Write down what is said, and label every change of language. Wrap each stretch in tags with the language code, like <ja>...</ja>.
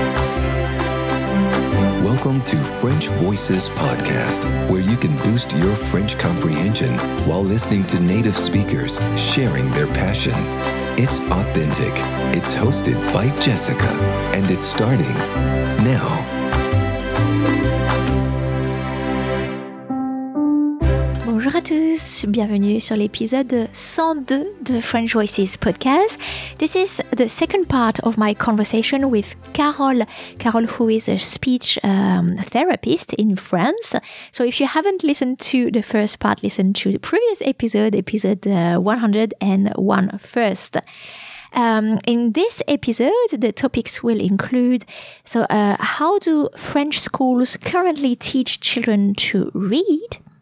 <en>Welcome to French Voices Podcast, where you can boost your French comprehension while listening to native speakers sharing their passion. It's authentic. It's hosted by Jessica, and it's starting now.</en> <fr>Bonjour à tous, bienvenue sur l'épisode 102 de French Voices Podcast.</fr> <en>This is the second part of my conversation with Carole. Carole, who is a speech therapist in France. So if you haven't listened to the first part, listen to the previous episode, episode 101 first. In this episode, the topics will include, how do French schools currently teach children to read?</en>